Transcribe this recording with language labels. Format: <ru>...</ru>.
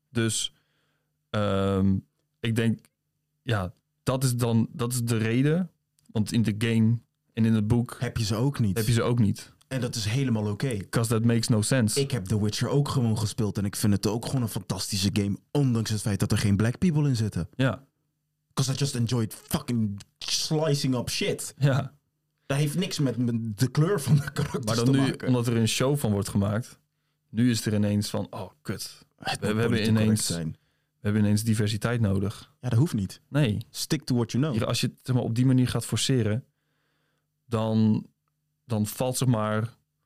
<nl>Dus ik denk, ja, dat is de reden. Want in de game... En in het boek... Heb je ze ook niet. En dat is helemaal oké.</nl> <en>Because that makes no sense.</en> <nl>Ik heb The Witcher ook gewoon gespeeld. En ik vind het ook gewoon een fantastische game. Ondanks het feit dat er geen black people in zitten. Ja.</nl> <en>Because I just enjoyed fucking slicing up shit.</en> <nl>Ja. Dat heeft niks met de kleur van de karakters te maken. Maar dan nu, omdat er een show van wordt gemaakt... Nu is er ineens van... Oh, kut. We hebben ineens diversiteit nodig. Ja, dat hoeft niet. Nee.</nl> <en>Stick to what you know.</en> <nl>Hier, als je het zeg maar, op die manier gaat forceren... Dan valt zeg maar.</nl>